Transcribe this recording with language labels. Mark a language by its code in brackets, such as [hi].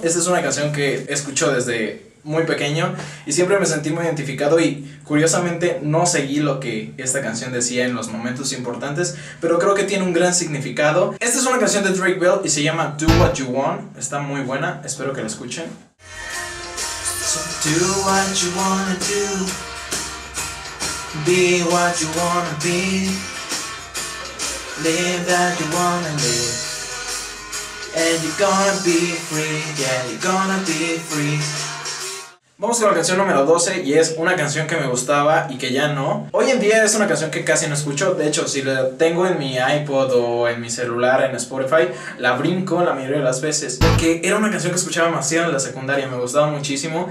[es] Esta es una canción que escucho desde muy pequeño y siempre me sentí muy identificado, y curiosamente no seguí lo que esta canción decía en los momentos importantes, pero creo que tiene un gran significado. Esta es una canción de Drake Bell y se llama Do What You Want. Está muy buena, espero que la escuchen. [en] Do what you wanna do, be what you wanna be, live that you wanna live, and you're gonna be free, yeah, you're gonna be free. [es] Vamos con la canción número 12, y es una canción que me gustaba y que ya no. Hoy en día es una canción que casi no escucho. De hecho, si la tengo en mi iPod o en mi celular, en Spotify, la brinco la mayoría de las veces. Porque era una canción que escuchaba demasiado en la secundaria, me gustaba muchísimo.